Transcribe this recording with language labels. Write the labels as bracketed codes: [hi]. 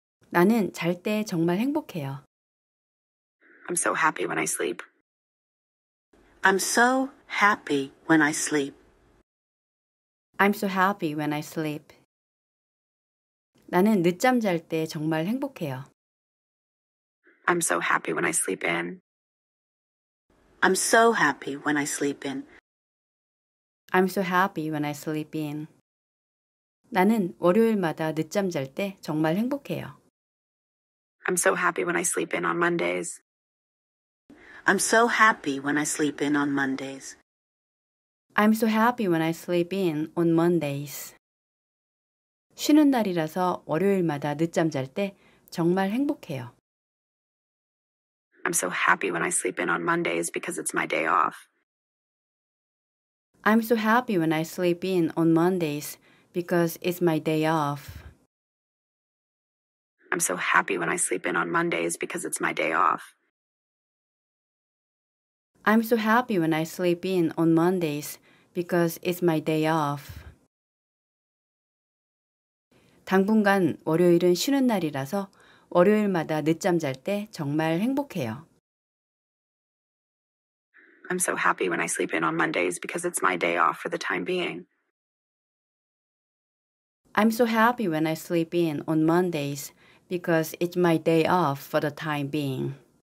[ko] 나는 잘 때 정말 행복해요. [en] I'm so happy when I sleep. I'm so happy when I sleep. I'm so happy when I sleep. [ko] 나는 늦잠 잘 때 정말 행복해요. [en] I'm so happy when I sleep in. I'm so happy when I sleep in. I'm so happy when I sleep in. [ko] 나는 월요일마다 늦잠 잘 때 정말 행복해요. [en] I'm so happy when I sleep in on Mondays. I'm so happy when I sleep in on Mondays. I'm so happy when I sleep in on Mondays. [ko] 쉬는 날이라서 월요일마다 늦잠 잘 때 정말 행복해요. [en] I'm so happy when I sleep in on Mondays because it's my day off. I'm so happy when I sleep in on Mondays because it's my day off. I'm so happy when I sleep in on Mondays because it's my day off. I'm so happy when I sleep in on Mondays because it's my day off. [ko] 당분간 월요일은 쉬는 날이라서 월요일마다 늦잠 잘 때 정말 행복해요. [en] I'm so happy when I sleep in on Mondays because it's my day off for the time being. I'm so happy when I sleep in on Mondays because it's my day off for the time being.